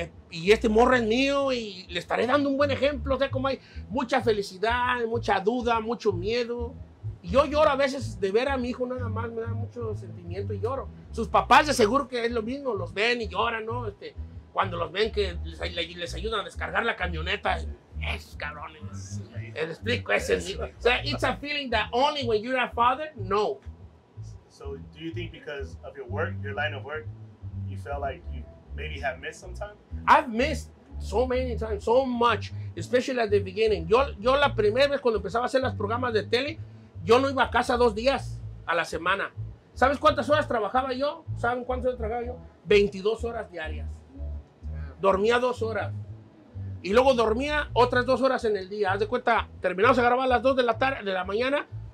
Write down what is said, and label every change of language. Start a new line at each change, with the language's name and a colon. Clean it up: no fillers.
Spanish: y este morro es mío y le estaré dando un buen ejemplo. O sea, como hay mucha felicidad, mucha duda, mucho miedo. Y yo lloro a veces de ver a mi hijo nada más, me da mucho sentimiento y lloro. Sus papás de seguro que es lo mismo, los ven y lloran, ¿no? Este, cuando los ven que les ayudan a descargar la camioneta, es cabrones. Les explico, es el mismo. O sea,
English: it's a feeling that only when you're a father, no. So, do you think because of your work, your line of work, you felt like you maybe have missed some time? I've missed so many times, so much, especially at the beginning.
Spanish: Yo la primera vez cuando empezaba a hacer los programas de tele, yo no iba a casa 2 días a la semana. ¿Sabes cuántas horas trabajaba yo? ¿Saben cuántas horas trabajaba yo? 22 horas diarias. Dormía 2 horas. Y luego dormía otras 2 horas en el día. Haz de cuenta, terminamos de grabar a las 2 de la tarde, de la mañana.